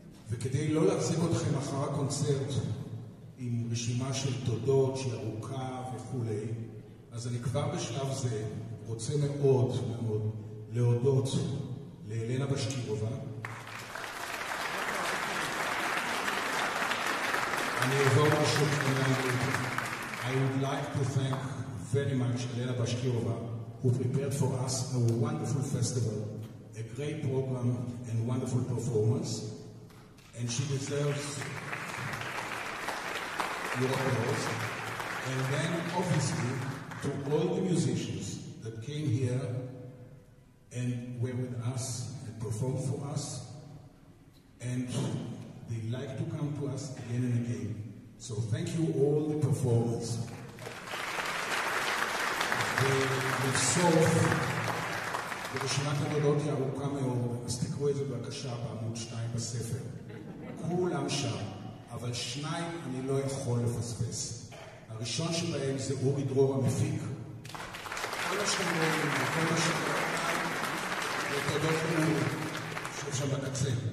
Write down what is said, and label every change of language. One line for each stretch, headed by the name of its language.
Hebrew: וכדי לא להציג אתכם אחר הקונצרט עם רשימה של תודות שהיא ארוכה וכולי, אז אני כבר בשלב זה רוצה מאוד מאוד להודות לאלנה בשקירובה.
English: I would like to thank very much Elena Bashkirova, who prepared for us a wonderful festival, a great program and wonderful performance, and she deserves your applause. And then obviously to all the musicians that came here and were with us and performed for us, and they like to come to us again and again. So thank you all the performers.
Hebrew: ולבסוף, ברשימת הגדולות היא ארוכה מאוד, אז תקראו את זה בבקשה בעמוד 2 בספר. כולם שם, אבל שניים אני לא יכול לפספס. הראשון שבהם זה אורי דרור המפיק. כל השם רואים, כל השם רואים, ותודות לאורי, שיש שם בקצה.